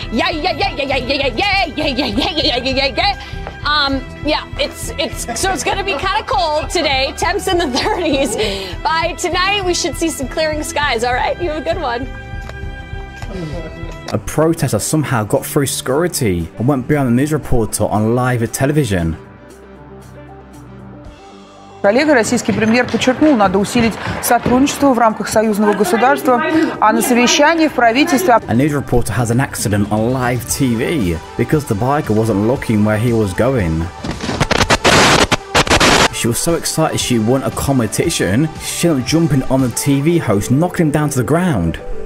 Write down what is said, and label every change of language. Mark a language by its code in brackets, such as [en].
[en] Yeah, it's gonna be kind of cold today. Temps in the 30s. By tonight, we should see some clearing skies. All right, you have a good one. A protester somehow got through security and went beyond the news reporter on live television. [ru] Коллега, российский премьер подчеркнул, надо усилить сотрудничество в рамках союзного государства, а на совещании в правительстве. [en] A news reporter has an accident on live TV because the biker wasn't looking where he was going. She was so excited she won a competition, she ended up jumping on the TV host, knocking him down to the ground.